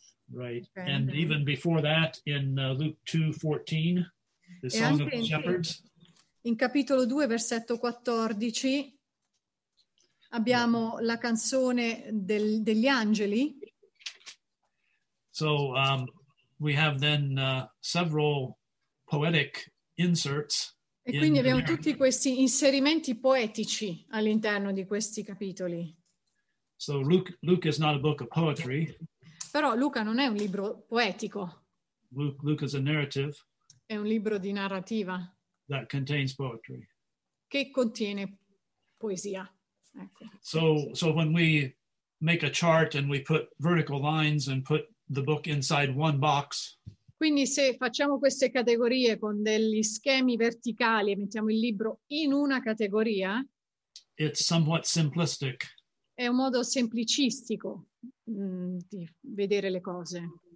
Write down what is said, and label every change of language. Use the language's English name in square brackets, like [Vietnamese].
[English] Right, and even before that, in Luke 2:14, the Song of the Shepherds. [Italian] In capitolo 2, versetto 14, abbiamo la canzone degli angeli. [English] So we have then several poetic inserts. [Italian] E quindi abbiamo tutti questi inserimenti poetici all'interno di questi capitoli. [English] So Luke is not a book of poetry. [Italian] Però Luca non è un libro poetico. [English] Luke is a narrative. [Italian] È un libro di narrativa. [English] That contains poetry. [Italian] Che contiene poesia. Ecco. [English] So when we make a chart and we put vertical lines and put the book inside one box. [Italian] Quindi se facciamo queste categorie con degli schemi verticali e mettiamo il libro in una categoria, [English] it's somewhat simplistic. [Italian] È un modo semplicistico di vedere le cose.